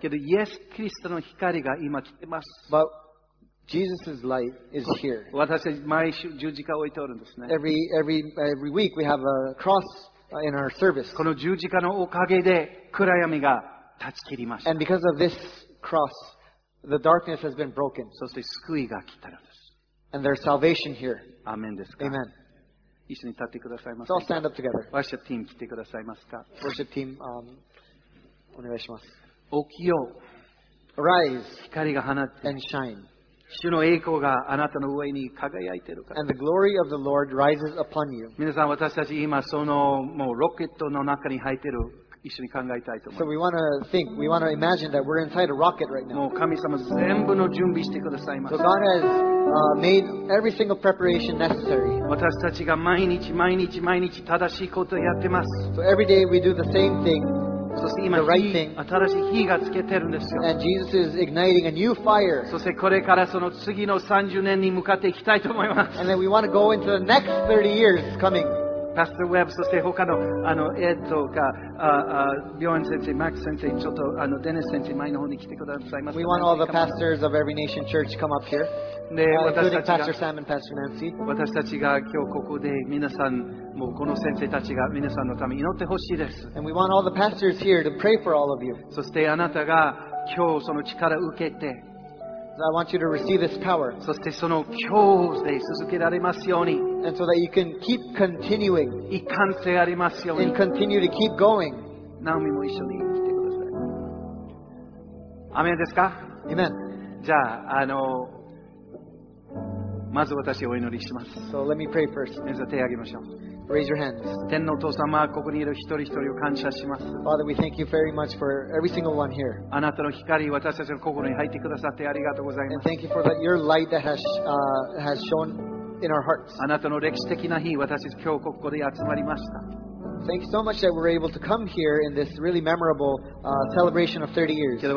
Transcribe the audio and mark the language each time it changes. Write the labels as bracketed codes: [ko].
[ja] けど、イエス・キリストの光が今来てます。 [en] But,Jesus' light is here. [ja] 私は毎週十字架を置いておるんですね。 [en] Every week we have a cross in our service. [ja] この十字架のおかげで暗闇が断ち切りました。 [en] And because of this cross, the darkness has been broken. [ja] そして救いが来たのです。 [en] And there's salvation here. [ja] アメンですか? [en] Amen. [ja] 一緒に立ってくださいますか? [en] So I'll stand up together. Worship team [ja] 来てくださいますか? [en] Worship team, [ja] お願いします。起きよう。 [en] Arise. [ja] 光が放って。 [en] And shine. [ja] 主の栄光があなたの上に輝いているから。 [en] And the glory of the Lord rises upon you. [ja] 皆さん、私たち今そのもうロケットの中に入っている、一緒に考えたいと思います。 [en] So we want to think, we want to imagine that we're inside a rocket right now. [ja] もう神様全部の準備してくださいます。 [en] So God has, made every single preparation necessary. [ja] 私たちが毎日毎日毎日正しいことをやってます。 [en] So every day we do the same thing. [ja] そして今、 [en] right、thing. [ja] 新しい火がつけてるんですよ。 [en] And Jesus is igniting a new fire. [ja] そしてこれからその次の30年に向かっていきたいと思います。 [en] And then we want to go into the next 30 years coming. [ja] Pastor Webb、そして他の、エッドとか、ビョン先生、マック先生、ちょっとデネス先生、前の方に来てくださいます。 [en] We want all the pastors of Every Nation Church come up here. [ja] で、 [en] Pastor Sam and Pastor Nancy. [ja] 私たちが今日ここで皆さん、もうこの先生たちが皆さんのために祈ってほしいです。 [en] And we want all the pastors here to pray for all of you. [ja] そしてあなたが今日その力を受けて、 [en] So I want you to receive this power. [ja] そしてその今日で続けられますように。 [en] And so that you can keep continuing. [ja] 一貫性ありますように。 [en] And continue to keep going. [ja] ナオミも一緒に来てください。アメンですか? [en] Amen. [ja] じゃあ、まず私お祈りします。 [en] So let me pray first. [ja] 皆さん手を挙げましょう。 [en] Raise your hands. [ja] 天のお父様、ここにいる一人一人を感謝します。 [en] Father, we thank you very much for every single one here. [ja] あなたの光、私たちの心に入ってくださってありがとうございます。 [en] And thank you for that, your light that has, has shone in our hearts. [ja] あなたの歴史的な日、私たち今日ここで集まりました。 [en] Thank you so much that we're able to come here in this really memorable, celebration of 30 years.